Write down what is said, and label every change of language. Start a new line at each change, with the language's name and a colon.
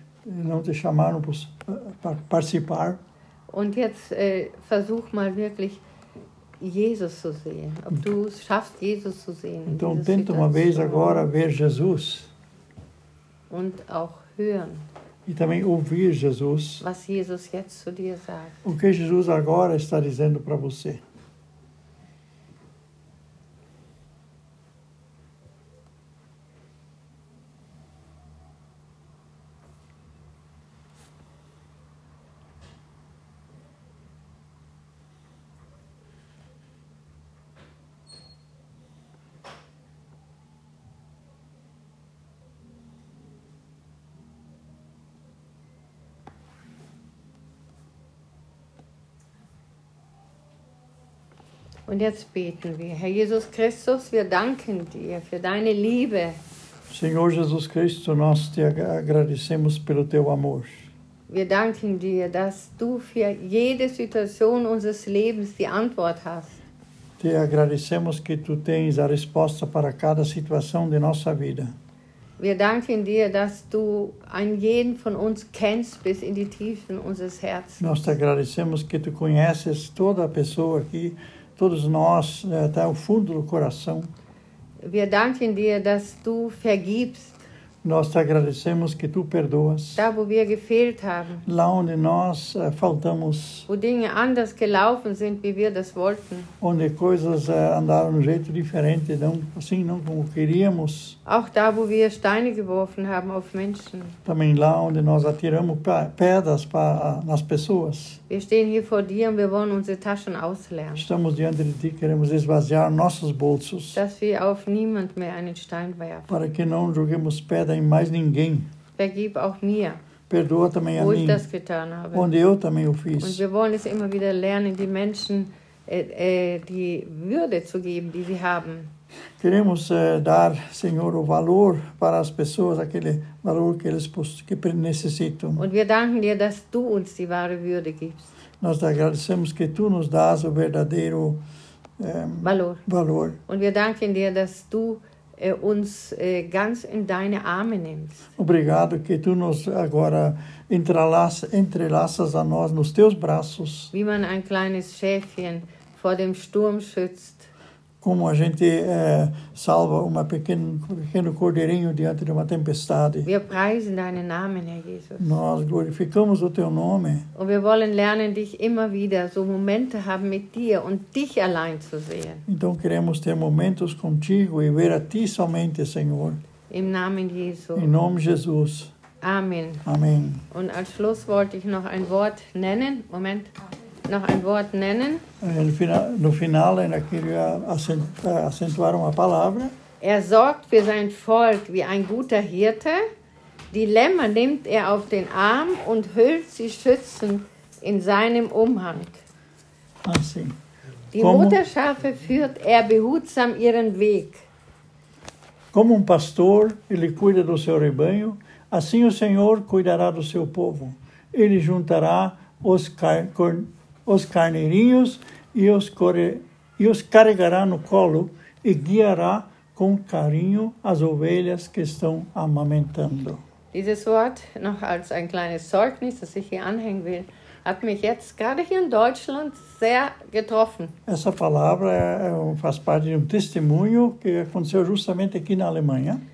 Portuguese: não te chamaram para participar.
German: Und jetzt versuch mal wirklich Jesus zu sehen, ob du es schaffst, Jesus zu sehen.
Portuguese: Então tenta uma vez agora ver Jesus.
German: Und auch hören.
Portuguese: E também ouvir Jesus.
German: Was Jesus jetzt zu dir sagt.
Portuguese: O que Jesus agora está dizendo para você?
German: Und jetzt beten wir. Herr Jesus Christus, wir danken dir für deine Liebe.
Portuguese: Senhor Jesus Cristo, nós te agradecemos pelo teu amor.
German: Wir danken dir, dass du für jede Situation unseres Lebens die Antwort hast.
Portuguese: Te agradecemos que tu tens a resposta para cada situação de nossa vida.
German: Wir danken dir, dass du an jeden von uns kennst bis in die Tiefen unseres Herzens.
Portuguese: Nós te agradecemos que tu conheces toda a pessoa aqui. Todos nós, até o fundo do coração.
German: Wir danken dir, dass du vergibst.
Portuguese: Nós te agradecemos que tu perdoas.
German: Da, wo wir gefehlt haben.
Portuguese: Lá onde nós faltamos.
German: Wo Dinge anders gelaufen sind, wie wir das wollten.
Portuguese: Onde coisas andaram de jeito diferente, não, assim, não como queríamos.
German: Auch da, wo wir Steine geworfen haben auf Menschen.
Portuguese: Também lá onde nós atiramos pedras nas pessoas.
German: Wir stehen hier vor dir und wir wollen unsere Taschen ausleeren.
Portuguese: Estamos diante de ti, queremos esvaziar nossos bolsos.
German: Dass wir auf niemand mehr einen Stein werfen.
Portuguese: Para que não joguemos pedra em mais ninguém.
German: Vergib auch mir.
Portuguese: Perdoa também a mim.
German: Wo ich das getan habe.
Portuguese: Onde eu também o fiz.
German: Und wir wollen es immer wieder lernen, die Menschen die Würde zu geben, die sie haben.
Portuguese: Queremos dar, Senhor, o valor para as pessoas, aquele valor que eles que necessitam.
German: Und wir danken dir, dass du uns die wahre Würde gibst.
Portuguese: Nós te agradecemos que tu nos das o verdadeiro valor.
German: Und wir danken dir, dass du uns ganz in deine Arme nimmst.
Portuguese: Obrigado que tu nos agora entrelaças a nós nos teus braços.
German: Wie man ein kleines Schäfchen vor dem Sturm schützt.
Portuguese: Como a gente salva uma pequeno cordeirinho diante de uma tempestade.
German: Wir preisen deinen Namen, Herr Jesus.
Portuguese: Nós glorificamos o teu nome.
German: Und wir wollen lernen, dich immer wieder so Momente haben mit dir und dich allein zu sehen.
Portuguese: Então queremos ter momentos contigo e ver a ti somente, Senhor.
German: Im Namen Jesus.
Portuguese: Em nome de Jesus.
German: Amen.
Portuguese: Amém.
German: Und als Schluss wollte ich noch ein Wort nennen. Moment. Noch ein Wort nennen.
Portuguese: No final, ainda queria acentuar uma palavra.
German: Er sorgt für sein Volk wie ein guter Hirte. Die Lämmer nimmt auf den Arm und hüllt sie schützend in seinem Umhang.
Portuguese: Ah, sim.
German: Die Mutterschafe führt behutsam ihren Weg.
Portuguese: Como pastor, ele cuida do seu rebanho, assim o Senhor cuidará do seu povo. Ele juntará os carneirinhos e os carregará no colo e guiará com carinho as ovelhas que estão amamentando.
German: Dieses Wort, noch als ein kleines Zeugnis, das ich hier anhängen will, hat mich jetzt gerade hier in Deutschland sehr getroffen.
Portuguese: Essa palavra faz parte de testemunho que aconteceu justamente aqui na Alemanha.